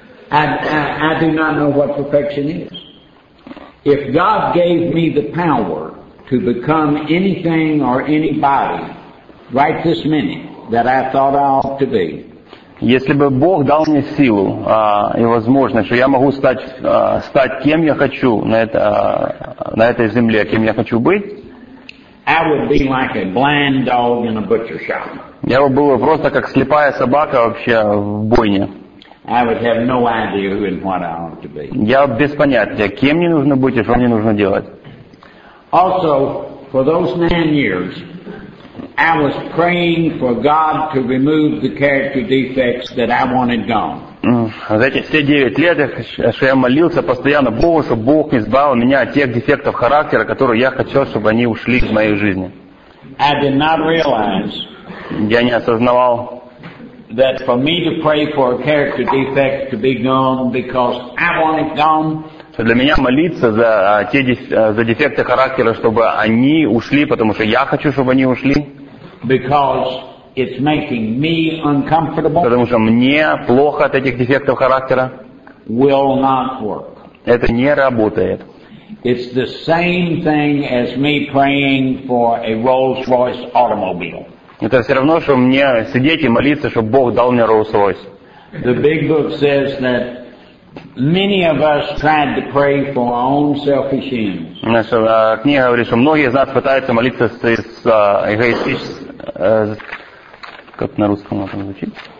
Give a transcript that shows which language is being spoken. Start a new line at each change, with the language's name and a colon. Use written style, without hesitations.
English: I do not know what perfection is. If God gave me the power to become anything or anybody right this minute that I thought I ought to be.
Russian: Если бы Бог дал мне силу и возможность, что я могу стать кем я хочу на этой земле, кем я хочу быть.
English: I would be like a blind dog in a butcher shop.
Russian: Я бы был просто как слепая собака вообще в бойне.
English: I would have no idea who and what I ought to be.
Russian: Я без понятия, кем мне нужно быть и что мне нужно делать.
English: Also, for those 9 years, I was praying for God to remove the character defects that I wanted gone.
Russian: За эти все 9 лет, что я молился постоянно Богу, чтобы Бог избавил меня от тех дефектов характера, которые я хотел, чтобы они ушли из моей жизни.
English: I did not realize,
Russian: я не осознавал,
English: that for me to pray for a character defect to be gone because I want it gone,
Russian: что для меня молиться за дефекты характера, чтобы они ушли, потому что я хочу, чтобы они ушли.
English: Because it's making me uncomfortable.
Russian: Потому что мне плохо от этих дефектов характера.
English: Will not work.
Russian: Это не работает.
English: It's the same thing as me praying for a Rolls-Royce automobile.
Russian: Это все равно, что мне сидеть и молиться, чтобы Бог дал мне Rolls-Royce.
English: The big book says that many of us tried to pray for our own selfish ends.
Russian: Наша книга говорит, что многие из нас пытаются молиться с эгоистичным. Как на русском можно звучит?